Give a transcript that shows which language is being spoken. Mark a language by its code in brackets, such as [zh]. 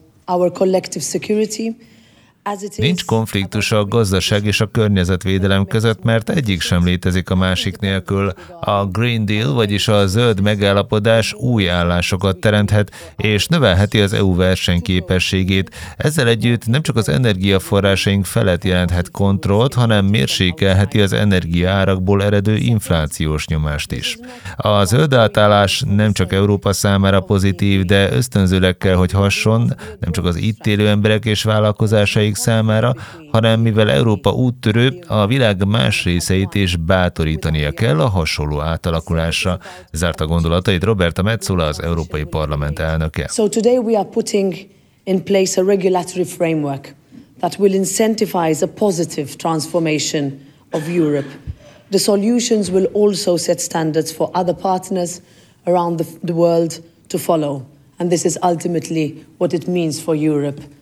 [en] Our collective security. [hu] Nincs konfliktus a gazdaság és a környezetvédelem között, mert egyik sem létezik a másik nélkül. A Green Deal, vagyis a zöld megállapodás új állásokat teremthet, és növelheti az EU versenyképességét. Ezzel együtt nem csak az energiaforrásaink felett jelenthet kontrollt, hanem mérsékelheti az energiaárakból eredő inflációs nyomást is. A zöld átállás nem csak Európa számára pozitív, de ösztönzőleg kell, hogy hasson, nem csak az itt élő emberek és vállalkozásai számára, hanem mivel Európa úttörő, a világ más részeit is bátorítania kell a hasonló átalakulásra. Zárta gondolatait Roberta Metsola, az Európai Parlament elnöke. [en] So today we are putting in place a regulatory framework that will incentivize a positive transformation of Europe. The solutions will also set standards for other partners around the world to follow. And this is ultimately what it means for Europe.